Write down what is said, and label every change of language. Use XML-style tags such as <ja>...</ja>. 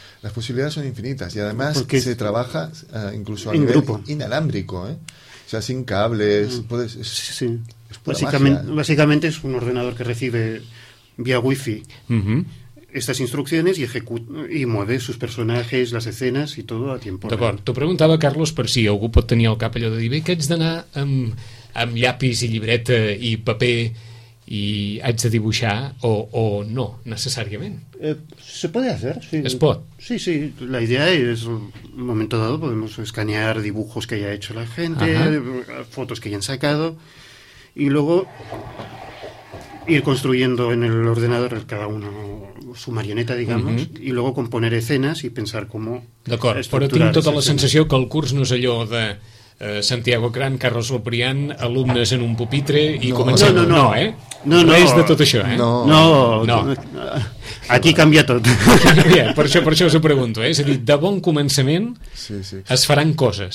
<es>Las posibilidades son infinitas y además porque se trabaja incluso a nivel grupo inalámbrico, ¿eh? O sea, sin cables. Puedes, es, sí, sí. Es básicamente, magia, ¿eh? Básicamente es un ordenador que recibe vía Wi-Fi estas instrucciones y ejecuta y mueve sus personajes, las escenas y todo a tiempo.</es> <ca>D'acord. T'ho preguntava, Carlos, per si algú pot tenir el cap allò de dir, bé, que haig d'anar amb llapis i llibreta i paper... i haig de dibuixar o no, necessàriament.</ca> <es>Se puede hacer, sí.</es> <ca>Es pot.</ca> <es>Sí, sí, la idea es un momento dado podemos escanear dibujos que haya hecho la gente, fotos que hayan sacado y luego ir construyendo en el ordenador cada uno su marioneta, digamos, y luego componer escenas y pensar cómo estructurar.</es> <ca>D'acord, però tinc tota la sensació que el curs no és allò de Santiago Gran, Carlos Loprián, alumnes en un pupitre i no, comencem. No, no, no, no, eh? No, no. Res de tot això, eh? No. No. No. Aquí canvia tot. Ja, per això us ho pregunto, eh? És a dir, de bon començament es faran coses.</ca>